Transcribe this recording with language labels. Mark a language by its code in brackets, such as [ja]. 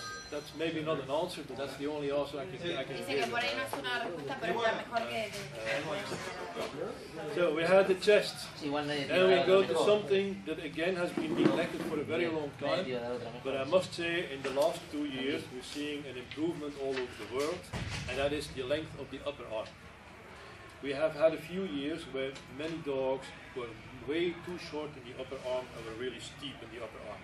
[en] that's maybe not an answer, but that's the only answer I can give. [es] Dice que por ahí no es una respuesta, pero está mejor que. [en] So we had the chest. Then we go to something that again has been neglected for a very long time. But I must say, in the last 2 years, we're seeing an improvement all over the world, and that is the length of the upper arm. We have had a few years where many dogs were way too short in the upper arm and were really steep in the upper arm.